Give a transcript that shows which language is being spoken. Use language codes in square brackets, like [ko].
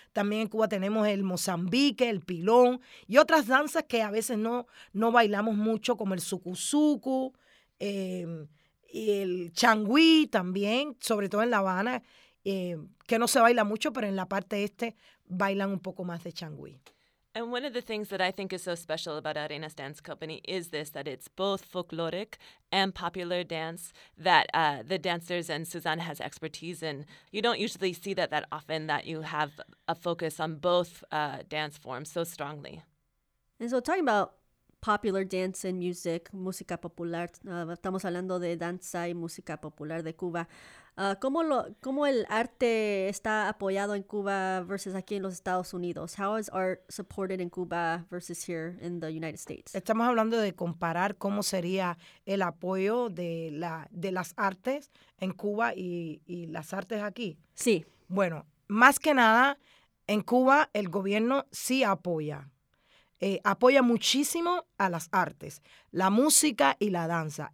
[es] También en Cuba tenemos el mozambique, el pilón y otras danzas que a veces no bailamos mucho, como el sucu-sucu, y el changüí también, sobre todo en La Habana, que no se baila mucho, pero en la parte este bailan un poco más de changüí. [en] And one of the things that I think is so special about Arenas Dance Company is this, that it's both folkloric and popular dance that the dancers and Suzanne has expertise in. You don't usually see that often, that you have a focus on both dance forms so strongly. And so talking about popular dance and music, [es] música popular, estamos hablando de danza y música popular de Cuba. ¿Cómo el arte está apoyado en Cuba versus aquí en los Estados Unidos? [en] How is art supported in Cuba versus here in the United States? [es] Estamos hablando de comparar cómo sería el apoyo de las artes en Cuba y las artes aquí. Sí. Bueno, más que nada, en Cuba el gobierno sí apoya. Apoya muchísimo a las artes, la música y la danza.